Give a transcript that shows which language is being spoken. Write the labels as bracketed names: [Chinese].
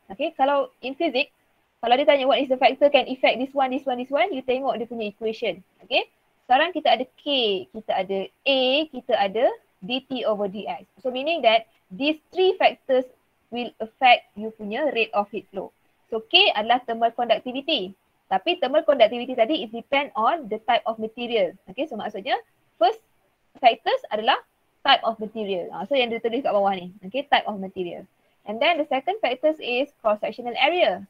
[English] Okay, [Malay] kalau [English] in physics, [Malay] kalau dia tanya [English] what is the factor can affect this one, this one, this one, you [Malay] tengok dia punya [English] equation. [Malay] Okay, sekarang kita ada K, kita ada A, kita ada dt over dx. [English] So meaning that these three factors will affect you [Malay] punya [English] rate of heat flow. So K [Malay] adalah [English] thermal conductivity. [Malay] Tapi [English] thermal conductivity [Malay] tadi [English] it depend on the type of material. Okay, so [Malay] maksudnya [English] first factors [Malay] adalah [English] type of material. [Malay] So yang dia tulis kat bawah ni. [English] Okay, type of material. And then the second factors is cross-sectional area.